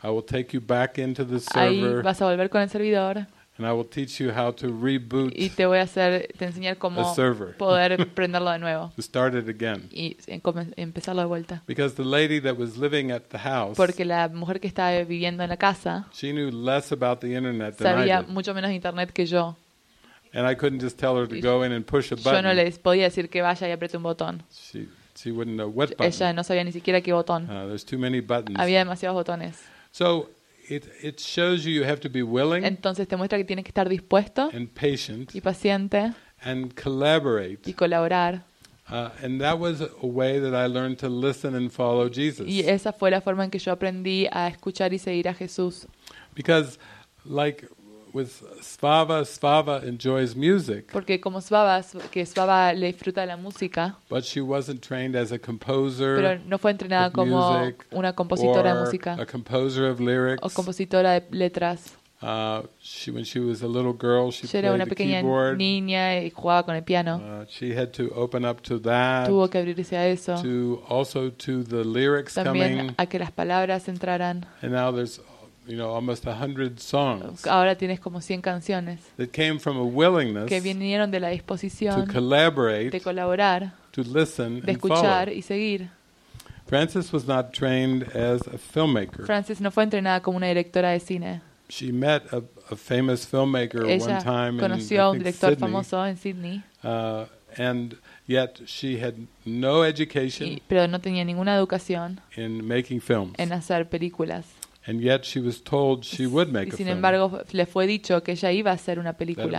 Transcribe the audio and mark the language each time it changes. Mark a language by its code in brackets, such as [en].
[en] I will take you back into the server. [es] Ahí vas a volver con el servidor. [en] And I will teach you how to reboot. [es] Y te voy a hacer, te enseñar cómo poder prenderlo de nuevo. [en] To start it again. [es] Y empezarlo de vuelta. [en] Because the lady that was living at the house. [es] Porque la mujer que estaba viviendo en la casa. [en] She knew less about the internet than [es] sabía [en] I did. [es] Mucho menos internet que yo. [en] And I couldn't just tell her to go in and push a button. [es] Yo no le podía decir que vaya y apriete un botón. [en] She wouldn't know what button. [es] Ella no sabía ni siquiera qué botón. [en] There's too many buttons. [es] Había demasiados botones. [en] So. It shows you have to be willing. [es] Entonces te muestra que tienes que estar dispuesto [en] and patient [es] y paciente [en] and collaborate. [es] Y colaborar. [en] And that was a way that I learned to listen and follow Jesus. [es] Y esa fue la forma en que yo aprendí a escuchar y seguir a Jesús. [en] Because, like with Svava, Svava enjoys music. [es] Porque como Svava, que Svava le disfruta la música. [en] But she wasn't trained as a composer. [es] Pero no fue entrenada como una compositora de música. [en] A composer of lyrics. [es] O compositora de letras. [en] When she was a little girl, she played the keyboard. [es] Era una pequeña niña y jugaba con el piano. [en] She had to open up to that. [es] Tuvo que abrirse a eso. [en] To also to the lyrics [es] también [en] coming. [es] También a que las palabras entraran. [en] And now there's, you know, almost 100 songs. [es] Ahora tienes como 100 canciones. [en] That came from a willingness. [es] Que vinieron de la disposición. [en] To collaborate. [es] De colaborar. [en] To listen and [es] escuchar y seguir. [en] Frances was not trained as a filmmaker. [es] Frances no fue entrenada como una directora de cine. [en] She met a famous filmmaker [es] ella [en] one time in [es] Sydney. Ella conoció un director famoso en Sydney. [en] And yet she had no education. [es] Y, pero no tenía ninguna educación. [en] In making films. [es] En hacer películas. [en] And yet she was told she would make a film. [es] Sin embargo, le fue dicho que ella iba a hacer una película.